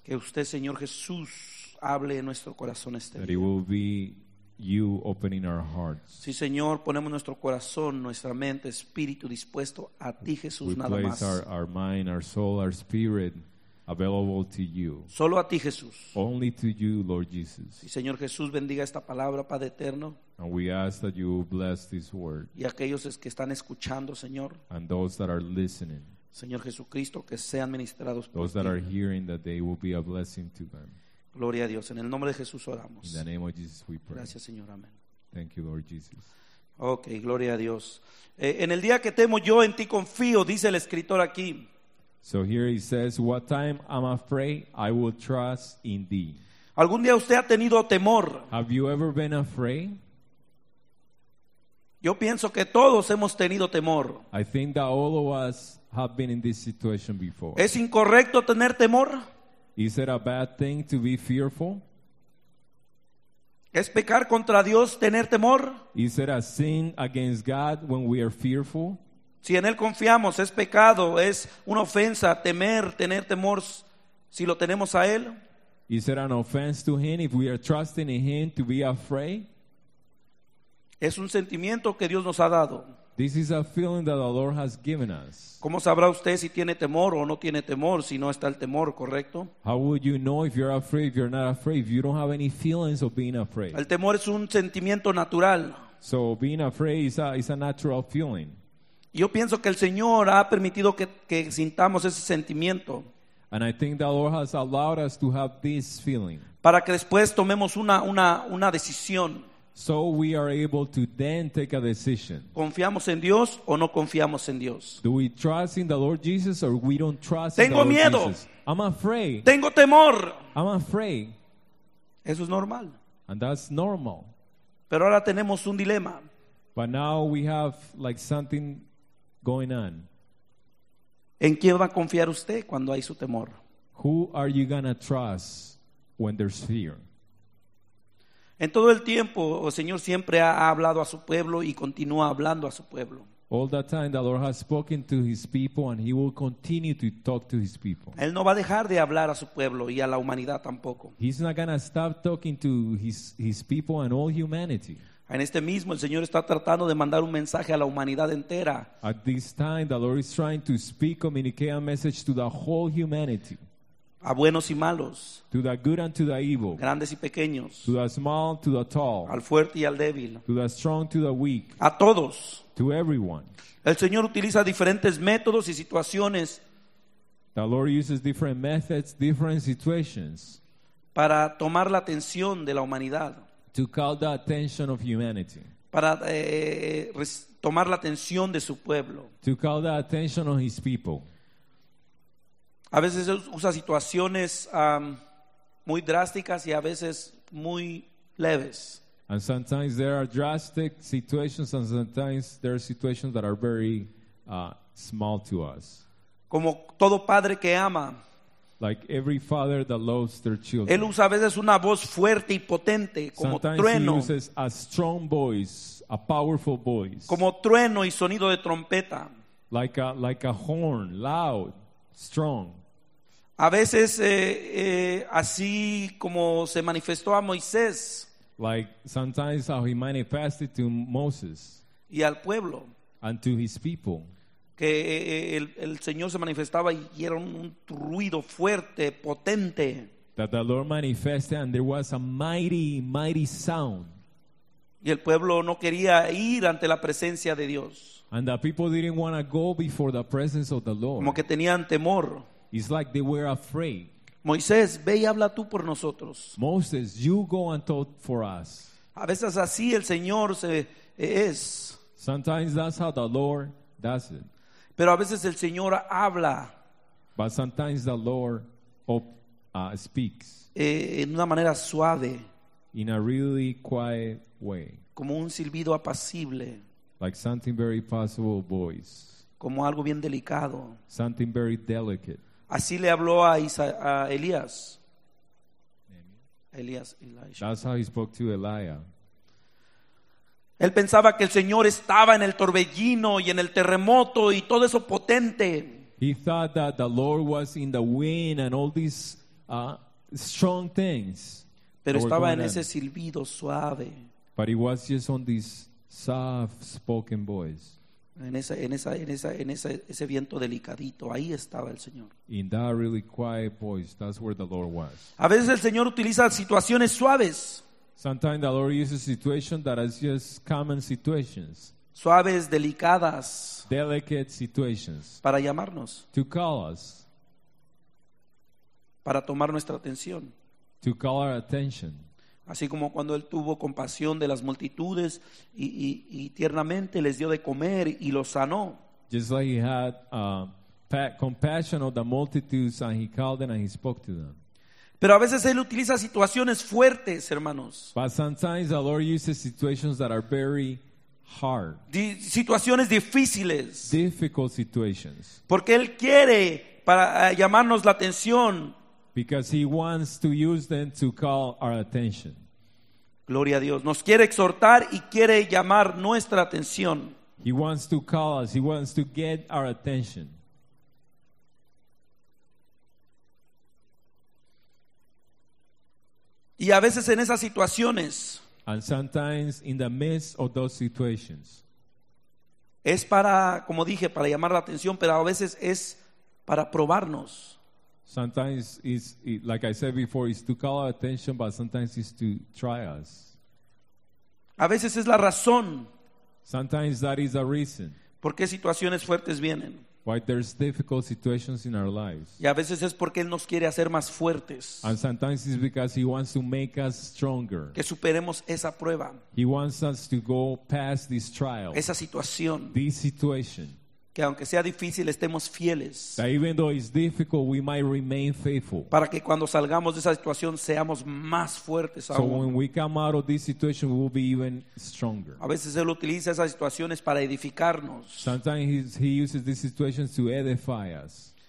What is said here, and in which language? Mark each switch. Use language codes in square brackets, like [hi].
[es] Que usted, Señor Jesús, hable en nuestro corazón este día. [en] That it will be you opening our hearts. [es] Sí, Señor, ponemos nuestro corazón, nuestra mente, espíritu dispuesto a ti, Jesús, [en] we [es] nada [en] place [es] más. [en] Our mind, our soul, our spirit available to you. [es] Solo a ti, Jesús. [en] Only to you, Lord Jesus. [es] Sí, Señor Jesús, bendiga esta palabra, Padre eterno. [en] And we ask that you bless this word. [es] Y aquellos que están escuchando, Señor. [en] And those that are listening. [es] Señor Jesucristo, que sean ministrados por ti. [en] Those that are hearing, that they will be a blessing to them. [es] Gloria a Dios. En el nombre de Jesús oramos. [en] In the name of Jesus we pray. [es] Gracias, Señor. Amén. [en] Thank you, Lord Jesus. [es] Okay, gloria a Dios. En el día que temo yo en ti confío, dice el escritor aquí. [en] So here he says, what time I'm afraid, I will trust in thee. [es] ¿Algún día usted ha tenido temor? [en] Have you ever been afraid? [es] Yo pienso que todos hemos tenido temor. [en] I think that all of us have been in this situation before. [es] ¿Es incorrecto tener temor? [en] Is it a bad thing to be fearful? [es] ¿Es pecar contra Dios tener temor? [en] Is it a sin against God when we are fearful? [es] Si en Él confiamos, es pecado, es una ofensa temer, tener temor si lo tenemos a Él. [en] Is it an offense to Him if we are trusting in Him to be afraid? [es] Es un sentimiento que Dios nos ha dado. [en] This is a feeling that the Lord has given us. [es] ¿Cómo sabrá usted si tiene temor o no tiene temor si no está el temor, correcto? [en] How would you know if you're afraid, if you're not afraid, if you don't have any feelings of being afraid? [es] El temor es un sentimiento natural. [en] So being afraid is a natural feeling. [es] Yo pienso que el Señor ha permitido que sintamos ese sentimiento. [en] And I think the Lord has allowed us to have this feeling. [es] Para que después tomemos una decisión. [en] So we are able to then take a decision. [es] ¿Confiamos en Dios o no confiamos en Dios? [en] Do we trust in the Lord Jesus or we don't trust [es] Tengo [en] in the [es] miedo. [en] Lord Jesus? I'm afraid. [es] Tengo temor. [en] I'm afraid. [es] Eso es normal. [en] And that's normal. [es] Pero ahora tenemos un dilema. [en] But now we have like something going on. [es] ¿En quién va a confiar usted cuando hay su temor? [en] Who are you going to trust when there's fear? [es] En todo el tiempo, el Señor siempre ha hablado a su pueblo y continúa hablando a su pueblo. [en] All that time the Lord has spoken to his people and he will continue to talk to his people. [es] Él no va a dejar de hablar a su pueblo y a la humanidad tampoco. [en] He's not going to stop talking to his people and all humanity. [es] En este mismo el Señor está tratando de mandar un mensaje a la humanidad entera. [en] At this time the Lord is trying to speak, communicate a message to the whole humanity. [es] A buenos y malos. [en] To the good and to the evil. [es] Grandes y pequeños. [en] To the small, to the tall. [es] Al fuerte y al débil. [en] To the strong, to the weak. [es] A todos. [en] To everyone. [es] El Señor utiliza diferentes métodos y situaciones. [en] The Lord uses different methods, different situations. [es] Para tomar la atención de la humanidad. [en] To call the attention of humanity. [es] Para tomar la atención de su pueblo. [en] To call the attention of his people. [es] A veces usa situaciones muy drásticas y a veces muy leves. [en] And sometimes there are drastic situations and sometimes there are situations that are very small to us. [es] Como todo padre que ama. [en] Like every father that loves their children. [es] Él usa a veces una voz fuerte y potente como [en] sometimes [es] trueno. [en] Sometimes he uses a strong voice, a powerful voice. [es] Como trueno y sonido de trompeta. [en] Like a horn, loud, strong. [es] A veces así como se manifestó a Moisés. [en] Like sometimes how he manifested to Moses. [es] Y al pueblo. [en] And to his people. [es] Que el Señor se manifestaba y era un ruido fuerte, potente. [en] That the Lord manifested and there was a mighty, mighty sound. [es] Y el pueblo no quería ir ante la presencia de Dios. [en] And the people didn't want to go before the presence of the Lord. [es] Como que tenían temor. [en] It's like they were afraid. [es] Moisés, ve y habla tú por nosotros. [en] Moses, you go and talk for us. [es] A veces así el Señor se es. [en] Sometimes that's how the Lord does it. [es] Pero a veces el Señor habla. [en] But sometimes the Lord speaks. [es] En una manera suave. [en] In a really quiet way. [es] Como un silbido apacible. [en] like something very possible, boys. [es] Como algo bien delicado. [en] Something very delicate. [es] Así le habló a Elías. Elías, [en] Elijah. That's how he spoke to Elijah. [es] Él pensaba que el Señor estaba en el torbellino y en el terremoto y todo eso potente. [en] He thought that the Lord was in the wind and all these strong things. [es] Pero estaba en ese silbido suave. [en] But he was just on this soft spoken voice. [es] En ese viento delicadito, ahí estaba el Señor. [en] In that really quiet voice, that's where the Lord was. [es] A veces el Señor utiliza situaciones suaves. [en] Sometimes the Lord uses situations that are just common situations. [es] Suaves, delicadas. [en] Delicate situations. [es] Para llamarnos. [en] To call us. [es] Para tomar nuestra atención. [en] To call our attention. [es] Así como cuando él tuvo compasión de las multitudes y tiernamente les dio de comer y los sanó. [en] Just like he had compassion of the multitudes and he called them and he spoke to them. [es] Pero a veces él utiliza situaciones fuertes, hermanos. [en] But sometimes the Lord uses situations that are very hard. [es] Situaciones difíciles. [en] Difficult situations. [es] Porque él quiere para llamarnos la atención. [en] Because he wants to use them to call our attention. [es] Gloria a Dios. Nos quiere exhortar y quiere llamar nuestra atención. [en] He wants to call us. He wants to get our attention. [es] Y a veces en esas situaciones. [en] And sometimes in the midst of those situations. [es] Es para, como dije, para llamar la atención, pero a veces es para probarnos. [en] Sometimes it's like I said before, it's to call our attention, but sometimes it's to try us. [es] A veces es la razón. [en] Sometimes that is a reason. [es] ¿Por qué situaciones fuertes vienen? [en] Why there's difficult situations in our lives. [es] Y a veces es porque él nos quiere hacer más fuertes. [en] And sometimes it's because he wants to make us stronger. [es] Que superemos esa prueba. [en] He wants us to go past this trial. [es] Esa situación. [en] This situation. [es] Que aunque sea difícil estemos fieles. [en] That even though it's difficult, we might remain faithful. [es] Para que cuando salgamos de esa situación seamos más fuertes aún. [en] So when we come out of this situation, we will be even stronger. [es] A veces él utiliza esas situaciones para edificarnos. [en] Sometimes he uses these situations to edify us.